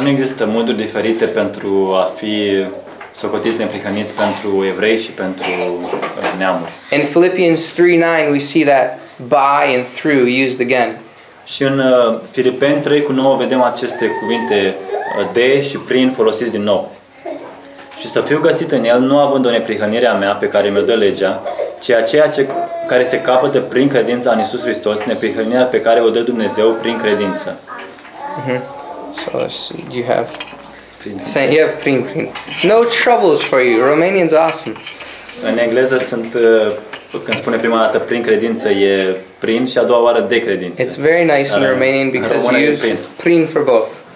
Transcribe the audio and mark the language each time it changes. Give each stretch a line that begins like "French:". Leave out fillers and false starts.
Romanian: Dar nu există moduri diferite pentru a fi socotiți neprihăniți pentru evrei și pentru neamuri.
English: In Philippians 3:9 we see that by and through used again.
Romanian: Și în Filipeni 3:9 vedem aceste cuvinte de și prin folosiți din nou. Și să fiu găsit în el, nu având o neprihănire a mea pe care mi-o dă legea, ci aceea ce care se capătă prin credința în Iisus Hristos, neprihănirea pe care o dă Dumnezeu prin credință.
English: Mm-hmm. So let's see, do you have... Saint, yeah, prin. No troubles for you, Romanian's awesome.
Romanian: În engleză sunt, când spune prima dată prin credință, e prin și a doua oară de credință.
English: It's very nice in Romanian because you use prin for both.